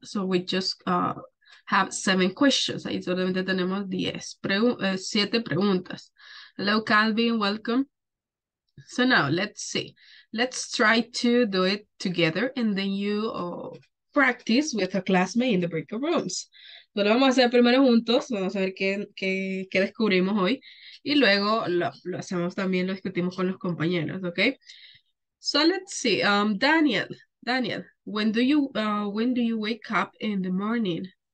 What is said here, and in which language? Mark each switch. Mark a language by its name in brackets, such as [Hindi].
[English] So we just have 7 questions. [Spanish] Ahí solamente tenemos 10. 7 preguntas. [English] Hello, Calvin. Welcome. So now let's see. Let's try to do it together and then you practice with a classmate in the breakout rooms. [Spanish] Lo vamos a hacer primero juntos. Vamos a ver qué descubrimos hoy. Y luego lo hacemos también, lo discutimos con los compañeros, okay? [English] So let's see. Daniel, when do you wake up in the morning?